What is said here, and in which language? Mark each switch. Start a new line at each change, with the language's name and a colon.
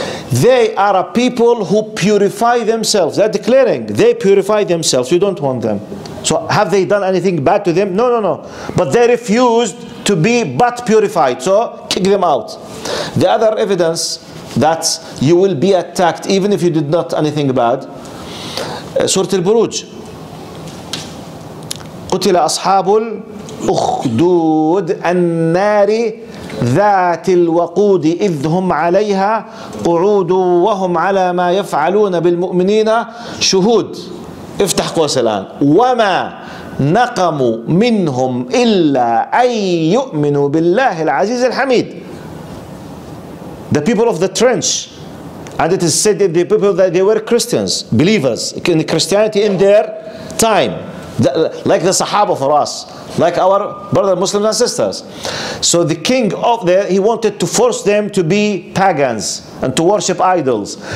English: They are a people who purify themselves. They're declaring, they purify themselves, you don't want them. So have they done anything bad to them? No. But they refused to be but purified, so kick them out. The other evidence that you will be attacked even if you did not anything bad. Surah Al-Buruj.
Arabic: قتل أصحاب الأخدود النار ذات الوقود إذ هم عليها قعود وهم على ما يفعلون بالمؤمنين شهود. افتح قوس الآن. وما نقموا منهم إلا أن يؤمنوا بالله العزيز الحميد.
English: The people of the trench, and it is said that the people that they were Christians, believers in Christianity in their time, like the Sahaba for us, like our brother Muslims and sisters. So the king of there, he wanted to force them to be pagans and to worship idols.